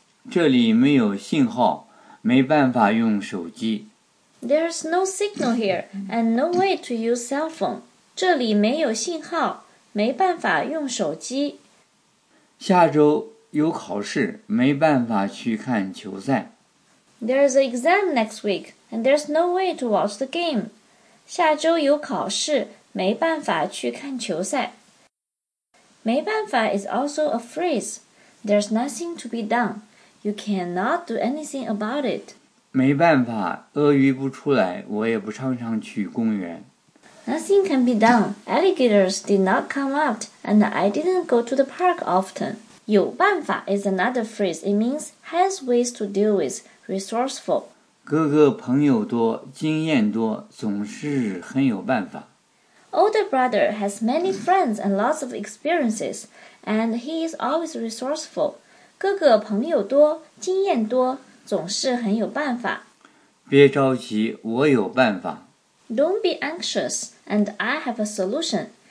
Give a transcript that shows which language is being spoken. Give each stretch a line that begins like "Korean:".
Chinese: 这里没有信号，没办法用手机。
English: There's no signal here, and no way to use cell phone.
Chinese: 这里没有信号，没办法用手机。下周有考试，没办法去看球赛。
English: There's an exam next week, and there's no way to watch the game.
Chinese: 下周有考试，没办法去看球赛。
English: 没办法 is also a phrase. There's nothing to be done. You cannot do anything about it.
Chinese: 没办法，鳄鱼不出来，我也不常常去公园。
English: Nothing can be done. Alligators did not come out, and I didn't go to the park often. 有办法 is another phrase. It means has ways to deal with, resourceful.
Chinese: 哥哥朋友多，经验多，总是很有办法。
English: Older brother has many friends and lots of experiences, and he is always resourceful.
Chinese: 哥哥朋友多，经验多。总是很有办法。别着急，我有办法。
English: Don't be anxious, and I have a solution.